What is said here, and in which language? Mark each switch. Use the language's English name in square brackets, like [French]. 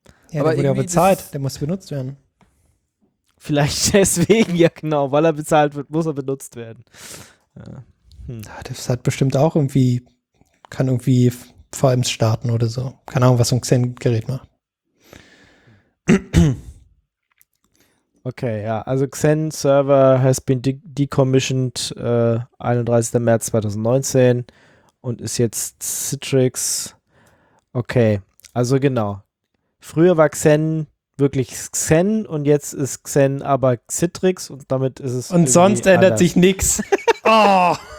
[German] Ja, aber der wurde ja bezahlt, der muss benutzt werden. Vielleicht deswegen, ja genau, weil er bezahlt wird, muss er benutzt werden. Ja. Das hat bestimmt auch irgendwie, kann irgendwie vor allem starten oder so. Keine Ahnung, was so ein Xen-Gerät macht. Okay, ja, also [English] Xen Server has been decommissioned 31. [German] März 2019 und ist jetzt Citrix. Okay, also genau. Früher war Xen wirklich Xen und jetzt ist Xen aber Citrix und damit ist es. Und sonst ändert anders. Sich nichts. Oh.